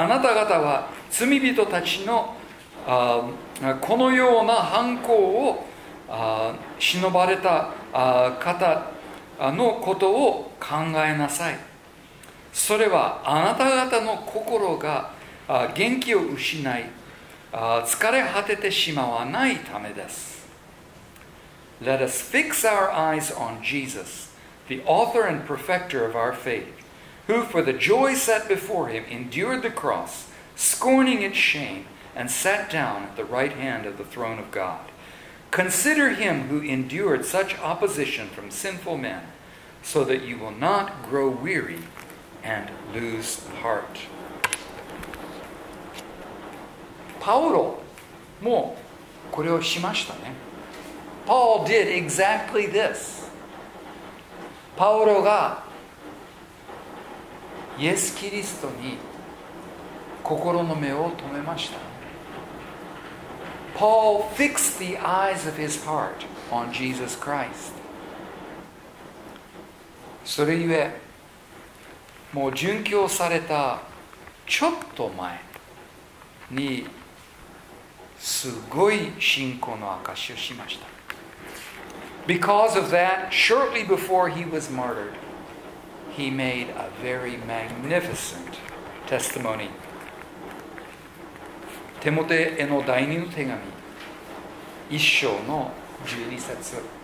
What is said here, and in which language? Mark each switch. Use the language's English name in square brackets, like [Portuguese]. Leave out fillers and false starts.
[Japanese] あなた方は罪人たちのこのような犯行を忍ばれた方のことを考えなさい。それはあなた方の心が元気を失い疲れ果ててしまわないためです。 [English] Let us fix our eyes on Jesus, the author and perfecter of our faith, who for the joy set before him endured the cross, scorning its shame, and sat down at the right hand of the throne of God. Consider him who endured such opposition from sinful menSo that you will not grow weary and lose heart. [Japanese] Paul もこれをしましたね。 [English] Paul did exactly this. [Japanese] Paul がイエス・キリストに心の目を留めました。 [English] Paul fixed the eyes of his heart on Jesus Christ. [Japanese] それゆえもう殉教されたちょっと前にすごい信仰の証しをしました。 [English] Because of that, shortly before he was martyred, he made a very magnificent testimony. [Japanese] テモテへの第二の手紙、一章の十二節。